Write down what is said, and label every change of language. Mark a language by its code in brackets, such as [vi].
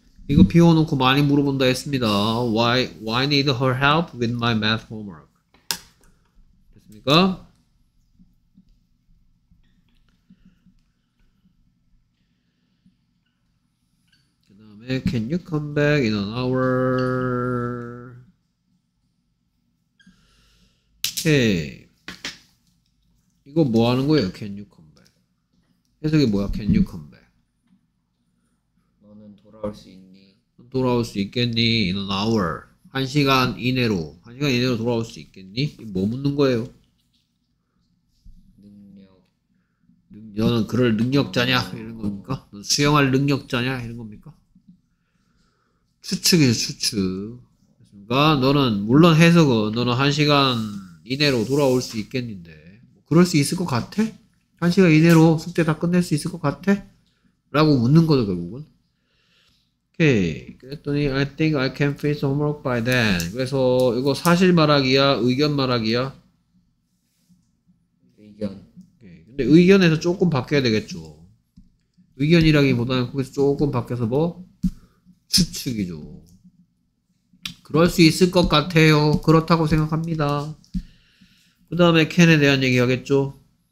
[ko] 이거 비워놓고 많이 물어본다 했습니다. [en] Why need her help with my math homework? [ko] 됐습니까? 그 다음에 [en] Can you come back in an hour? Okay. [ko] 이거 뭐 하는 거예요? [en] Can you come back? [ko] 해석이 뭐야? [en] Can you come back? [ko] 너는 돌아올 수 있니? 돌아올 수 있겠니? [en] In an hour. [ko] 한 시간 이내로. 한 시간 이내로 돌아올 수 있겠니? 뭐 묻는 거예요? 능력. 너는 그럴 능력자냐? 이런 겁니까? 넌 수영할 능력자냐? 이런 겁니까? 추측이죠, 추측. 그러니까 너는 물론 해석은 너는 한 시간 이내로 돌아올 수 있겠는데 그럴 수 있을 것 같아? 한 시간 이내로 숙제 다 끝낼 수 있을 것 같아? 라고 묻는 거죠, 결국은. 오케이. 그랬더니 [en] I think I can finish homework by then. [ko] 그래서 이거 사실 말하기야? 의견 말하기야? 의견. 오케이. 근데 의견에서 조금 바뀌어야 되겠죠. 의견이라기보다는 거기서 조금 바뀌어서 뭐? 추측이죠. 그럴 수 있을 것 같아요. 그렇다고 생각합니다. 그 다음에 Can에 대한 얘기 하겠죠?